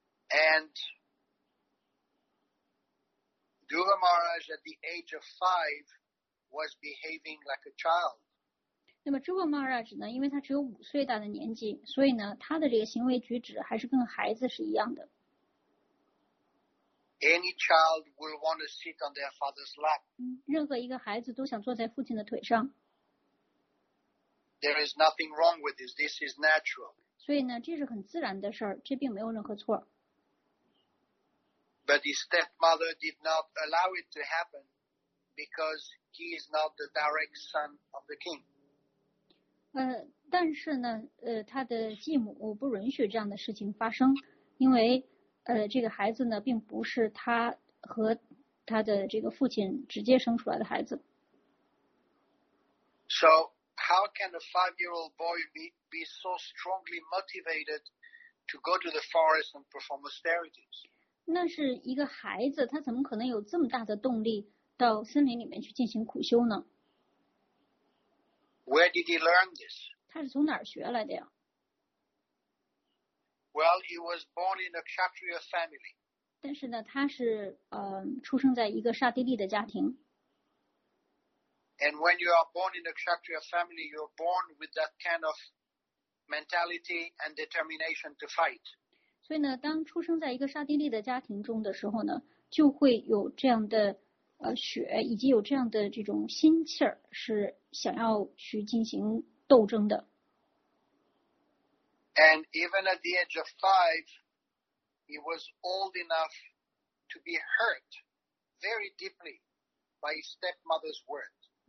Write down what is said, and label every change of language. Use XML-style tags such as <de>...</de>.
<en>And Dhruva Maharaj at the age of 5 was behaving like a child.</en> <zh>那么 Dhruva Maharaj 呢，因为他只有五岁大的年纪，所以呢，他的这个行为举止还是跟孩子是一样的。</zh> <en>Any child will want to sit on their father's lap.</en> <zh>任何一个孩子都想坐在父亲的腿上。</zh> <en>There is nothing wrong with this. This is natural.</en> <zh>所以呢，这是很自然的事儿，这并没有任何错。</zh> <en>But his stepmother did not allow it to happen because he is not the direct son of the king.</en> <zh>但是呢，他的继母不允许这样的事情发生，因为这个孩子呢，并不是他和他的这个父亲直接生出来的孩子。</zh> <en>So how can a 5-year-old boy be so strongly motivated to go to the forest and perform austerities?</en> <zh>那是一个孩子，他怎么可能有这么大的动力到森林里面去进行苦修呢？</zh> <en>Where did he learn this?</en> <zh>他是从哪儿学来的呀？</zh> <en>Well, he was born in a Kshatriya family.</en> <zh>但是呢，他是出生在一个刹帝利的家庭。</zh> <en>And when you are born in a Kshatriya family, you are born with that kind of mentality and determination to fight.</en> <zh>所以呢，当出生在一个刹帝利的家庭中的时候呢，就会有这样的血，以及有这样的这种心气儿，是想要去进行斗争的。</zh> <en>And even at the age of 5, he was old enough to be hurt very deeply by his stepmother's words.</en>